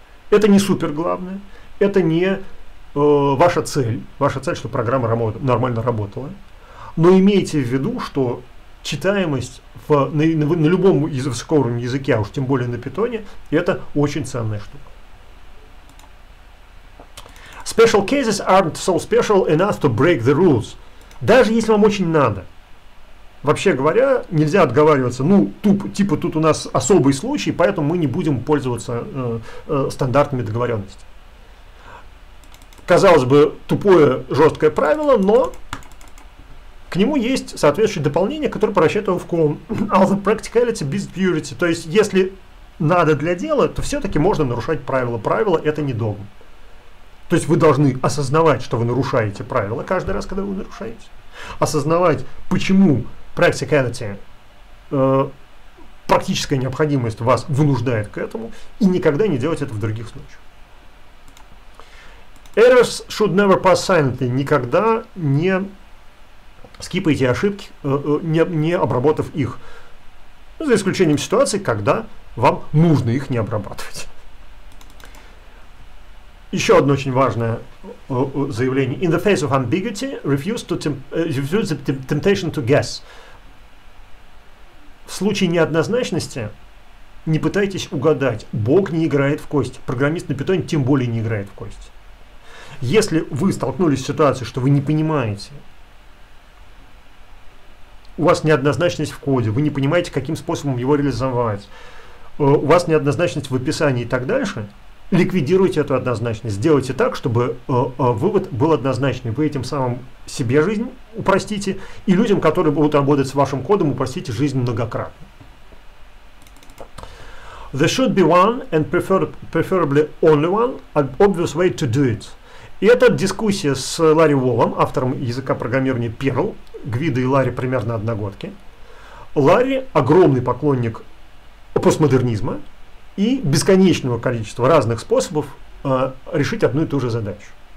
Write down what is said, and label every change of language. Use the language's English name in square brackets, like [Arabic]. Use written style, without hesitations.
[Russian] Это не супер главное, это не ваша цель. Ваша цель, чтобы программа нормально работала. Но имейте в виду, что читаемость на любом высокоуровневом языке, а уж тем более на Питоне, это очень ценная штука. [English] Special cases aren't so special enough to break the rules. [Russian] Даже если вам очень надо. Вообще говоря, нельзя отговариваться, ну, типа тут у нас особый случай, поэтому мы не будем пользоваться стандартными договоренностями. Казалось бы, тупое, жесткое правило, но к нему есть соответствующее дополнение, которое превращает его в кон. [English] All the practicality beats purity. [Russian] То есть, если надо для дела, то все-таки можно нарушать правила. Правила — это не догм. То есть вы должны осознавать, что вы нарушаете правила каждый раз, когда вы нарушаете. Осознавать, почему practicality, практическая необходимость вас вынуждает к этому, и никогда не делать это в других случаях. [English] Errors should never pass silently. [Russian] Никогда не скипайте ошибки, не обработав их. За исключением ситуации, когда вам нужно их не обрабатывать. Еще одно очень важное заявление. [English] In the face of ambiguity, refuse the temptation to guess. [Russian] В случае неоднозначности не пытайтесь угадать. Бог не играет в кости. Программист на Питоне тем более не играет в кости. Если вы столкнулись с ситуацией, что вы не понимаете, у вас неоднозначность в коде, вы не понимаете, каким способом его реализовать, у вас неоднозначность в описании и так дальше, ликвидируйте эту однозначность. Сделайте так, чтобы вывод был однозначный. Вы этим самым себе жизнь упростите, и людям, которые будут работать с вашим кодом, упростите жизнь многократно. [English] There should be one and preferably only one obvious way to do it. [Russian] И это дискуссия с Ларри Уоллом, автором языка программирования Perl. Гвида и Ларри примерно одногодки. Ларри – огромный поклонник постмодернизма и бесконечного количества разных способов решить одну и ту же задачу.